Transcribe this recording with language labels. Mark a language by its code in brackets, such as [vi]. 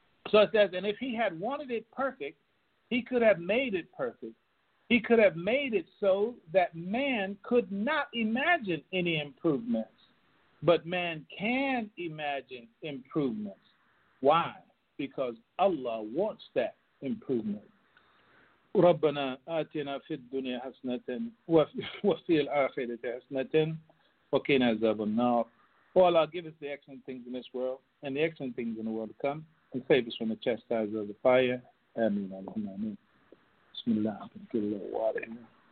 [en] So it says, and if he had wanted it perfect, he could have made it perfect. He could have made it so that man could not imagine any improvements. But man can imagine improvements. Why? Because Allah wants that improvement. [ar] ربنا آتنا في الدنيا حسنة وفي الآخرة حسنة وقنا عذاب النار. [en] Oh Allah, give us the excellent things in this world and the excellent things in the world to come, and save us from the chastisement of the fire. Amen. Allahumma amin. Bismillah. Get a little water in here.